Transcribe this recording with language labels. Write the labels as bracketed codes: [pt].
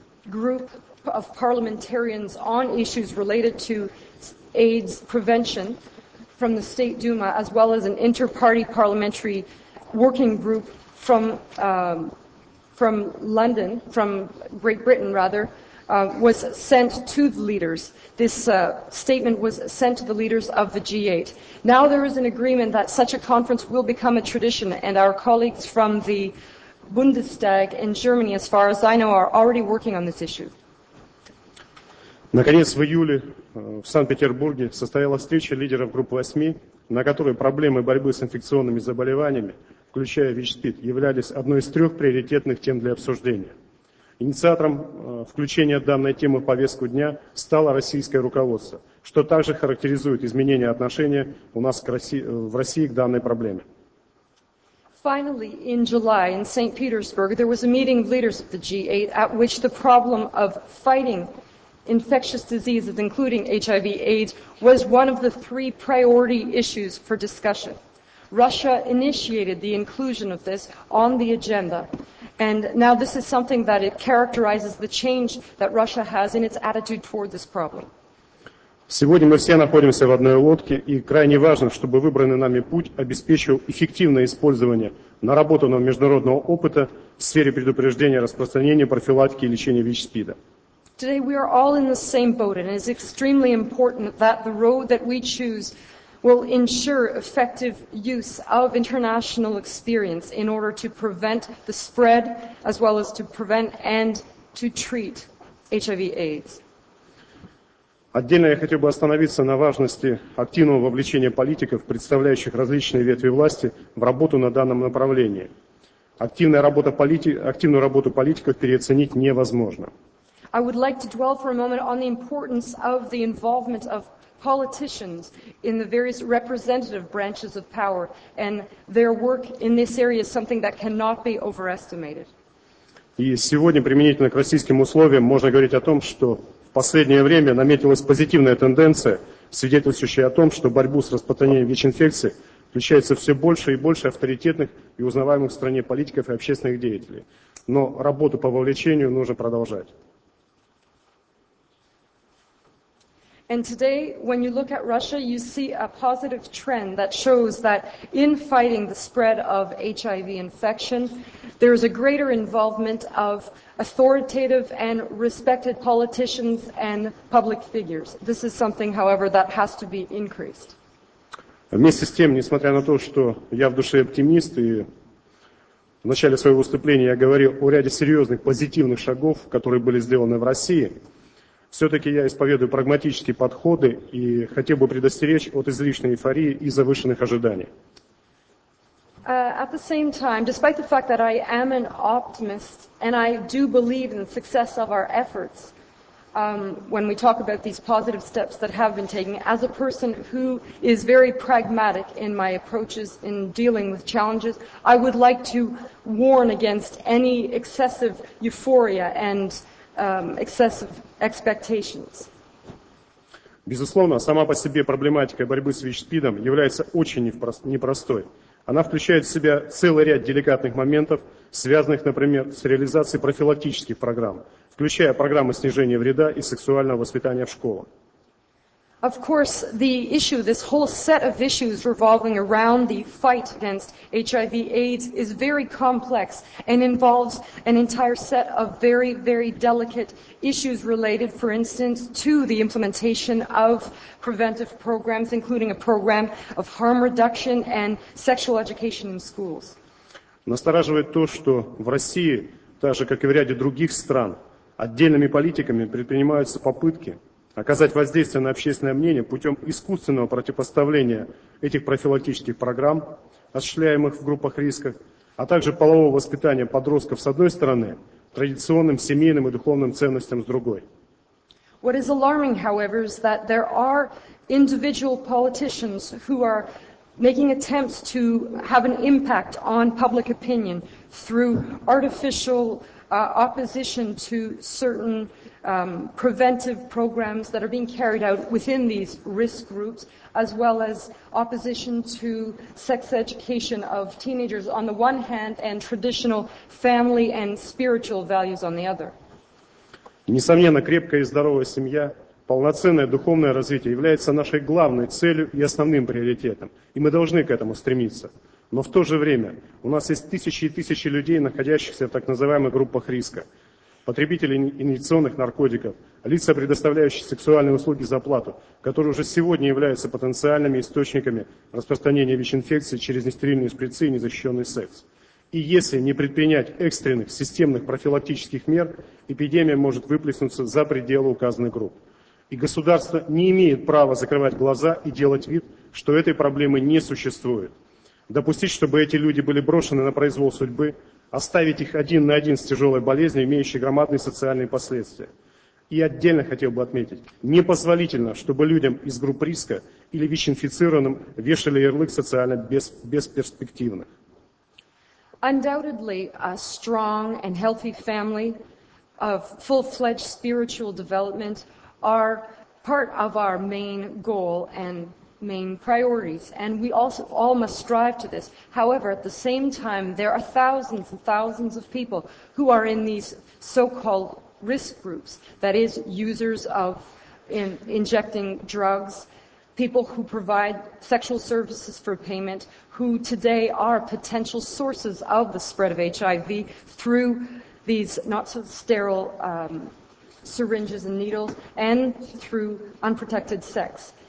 [en] group of parliamentarians on issues related to AIDS prevention from the State Duma, as well as an inter-party parliamentary working group from London, from Great Britain rather, was sent to the leaders. This statement was sent to the leaders of the G8. Now there is an agreement that such a conference will become a tradition, and our colleagues from the Bundestag in Germany, as far as I know, are already working on this issue. [ru] Наконец, в июле в Санкт-Петербурге состоялась встреча лидеров группы 8, на которой проблемы борьбы с инфекционными заболеваниями, включая ВИЧ-СПИД, являлись одной из трех приоритетных тем для обсуждения. Инициатором включения данной темы в повестку дня стало российское руководство, что также характеризует изменение отношения у нас в России к данной проблеме. [en] Finally, in July, in St. Petersburg, there was a meeting of leaders of the G8 at which the problem of fighting infectious diseases, including HIV/AIDS, was one of the three priority issues for discussion. Russia initiated the inclusion of this on the agenda, and now this is something that it characterizes the change that Russia has in its attitude toward this problem. [ru] Сегодня мы все находимся в одной лодке, и крайне важно, чтобы выбранный нами путь обеспечил эффективное использование наработанного международного опыта в сфере предупреждения, распространения, профилактики и лечения ВИЧ-СПИДа. [en] Today we are all in the same boat, and it is extremely important that the road that we choose will ensure effective use of international experience in order to prevent the spread, as well as to prevent and to treat HIV/AIDS. [ru] Отдельно я хотел бы остановиться на важности активного вовлечения политиков, представляющих различные ветви власти, в работу на данном направлении. Активную работу политиков переоценить невозможно. [en] I would like to dwell for a moment on the importance of the involvement of politicians in the various representative branches of power, and their work in this area is something that cannot be overestimated. [ru] И сегодня применительно к российским условиям можно говорить о том, что в последнее время наметилась позитивная тенденция, свидетельствующая о том, что борьбу с распространением ВИЧ-инфекции включается все больше и больше авторитетных и узнаваемых в стране политиков и общественных деятелей. Но работу по вовлечению нужно продолжать. [en] And today, when you look at Russia, you see a positive trend that shows that in fighting the spread of HIV infection, there is a greater involvement of authoritative and respected politicians and public figures. This is something, however, that has to be increased. [ru] Вместе с тем, несмотря на то, что я в душе оптимист, и в начале своего выступления я говорил о ряде серьезных позитивных шагов, которые были сделаны в России, все-таки я исповедую прагматические подходы и хотел бы предостеречь от излишней эйфории и завышенных ожиданий. [en] At the same time, despite the fact that I am an optimist and I do believe in the success of our efforts, when we talk about these positive steps that have been taken, as a person who is very pragmatic in my approaches in dealing with challenges, I would like to warn against any excessive euphoria and excessive expectations. [ru] Безусловно, сама по себе проблематика борьбы с ВИЧ-СПИДом является очень непростой. Она включает в себя целый ряд деликатных моментов, связанных, например, с реализацией профилактических программ, включая программы снижения вреда и сексуального воспитания в школах. [en] Of course, the issue, this whole set of issues revolving around the fight against HIV/AIDS is very complex and involves an entire set of very, very delicate issues related, for instance, to the implementation of preventive programs, including a program of harm reduction and sexual education in schools. [ru] Настораживает то, что в России, так же как и в ряде других стран, отдельными политиками предпринимаются попытки оказать воздействие на общественное мнение путем искусственного противопоставления этих профилактических программ, осуществляемых в группах риска, а также полового воспитания подростков с одной стороны, традиционным семейным и духовным ценностям с другой. [en] What is alarming, however, is that there are individual politicians who are making attempts to have an impact on public opinion through artificial opposition to certain preventive programs that are being carried out within these risk groups, as well as opposition to sex education of teenagers on the one hand and traditional family and spiritual values on the other. [ru] Несомненно, крепкая и здоровая семья, полноценное духовное развитие является нашей главной целью и основным приоритетом, и мы должны к этому стремиться. Но в то же время у нас есть тысячи и тысячи людей, находящихся в так называемых группах риска. Потребители инъекционных наркотиков, лица, предоставляющие сексуальные услуги за плату, которые уже сегодня являются потенциальными источниками распространения ВИЧ-инфекции через нестерильные шприцы и незащищенный секс. И если не предпринять экстренных, системных профилактических мер, эпидемия может выплеснуться за пределы указанных групп. И государство не имеет права закрывать глаза и делать вид, что этой проблемы не существует. Допустить, чтобы эти люди были брошены на произвол судьбы, оставить их один на один с тяжелой болезнью, имеющей громадные социальные последствия. И отдельно хотел бы отметить, непозволительно, чтобы людям из групп риска или ВИЧ-инфицированным вешали ярлык социально бесперспективных. [en] Undoubtedly, a strong and healthy family of full-fledged spiritual development are part of our main goal and main priorities, and we also all must strive to this. However, at the same time, there are thousands and thousands of people who are in these so-called risk groups, that is, users of injecting drugs, people who provide sexual services for payment, who today are potential sources of the spread of HIV through these not-so-sterile syringes and needles, and through unprotected sex.